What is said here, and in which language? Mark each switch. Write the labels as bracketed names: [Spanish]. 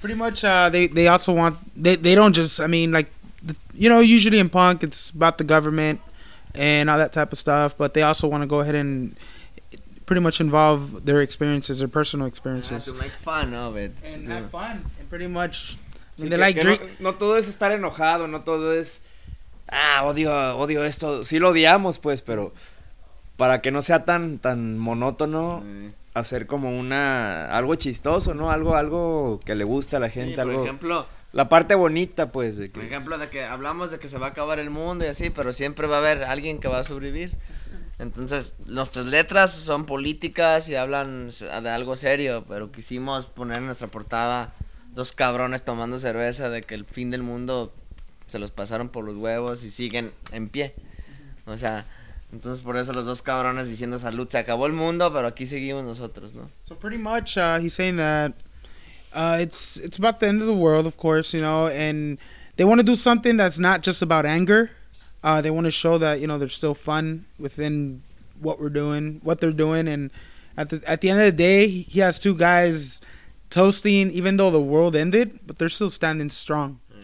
[English] Pretty much, they also want, they don't just, I mean, like, you know, usually in punk, it's about the government and all that type of stuff. But they also want to go ahead and pretty much involve their experiences, their personal experiences. To make fun of it. And have fun. And pretty much, I mean, they like drink. [Spanish] No, no todo es estar enojado. No todo es, odio esto. Sí lo odiamos, pues, pero para que no sea tan monótono, hacer como una, algo chistoso, ¿no? Algo que le guste a la gente. Sí, algo, por ejemplo, la parte bonita, pues. De que, por ejemplo, de que hablamos de que se va a acabar el mundo y así, pero siempre va a haber alguien que va a sobrevivir. Entonces, nuestras letras son políticas y hablan de algo serio, pero quisimos poner en nuestra portada dos cabrones tomando cerveza de que el fin del mundo se los pasaron por los huevos y siguen en pie. O sea, entonces por eso los dos cabrones diciendo salud, se acabó el mundo, pero aquí seguimos nosotros, ¿no? [English] So pretty much he's saying that it's about the end of the world, of course, you know, and they want to do something that's not just about anger. They want to show that, you know, there's still fun within what we're doing, what they're doing. And at the end of the day, he has two guys toasting, even though the world ended, but they're still standing strong.